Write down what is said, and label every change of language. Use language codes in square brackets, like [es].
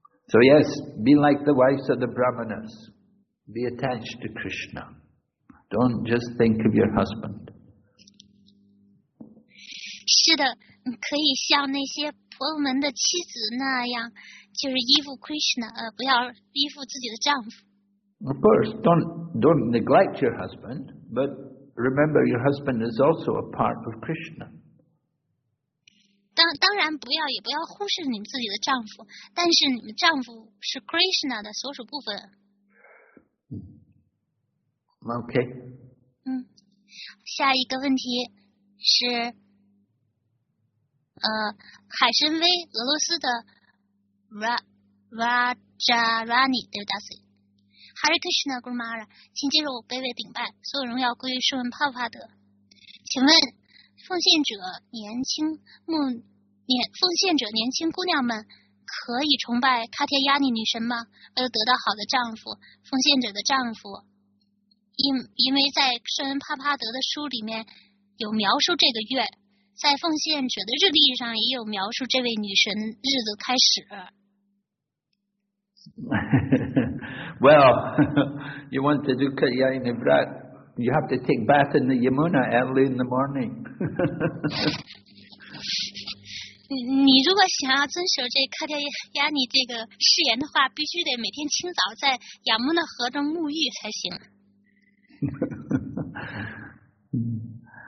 [en] So yes, be like the wives of the Brahmanas. Be attached to Krishna. Don't just think of your husband. [zh] 是的，你可以像那些婆罗门的妻子那样，就是依附 Krishna， 不要依附自己的丈夫。 [en] Of course, don't neglect your husband, but remember your husband is also a part of Krishna. [zh] 当然不要，也不要忽视你们自己的丈夫，但是你们丈夫是 Krishna 的所属部分。 [en] Okay. [zh] 下一个问题是，海参崴俄罗斯的 Rajarani， 对不对？ Hare Krishna Guru Maharaj， 请接受我卑微顶拜，所有荣耀归于圣文帕帕德。请问，奉献者年轻姑娘们可以崇拜卡提亚尼女神吗？为了得到好的丈夫，奉献者的丈夫，因为在圣文帕帕德的书里面有描述这个月，在奉献者的日历上也有描述这位女神日子开始。 [en] Well, you want to do Kalyani Vrat, you have to take bath in the Yamuna early in the morning. [zh] 你如果想要遵守这Kalyani这个誓言的话，必须得每天清早在雅穆纳河中沐浴才行。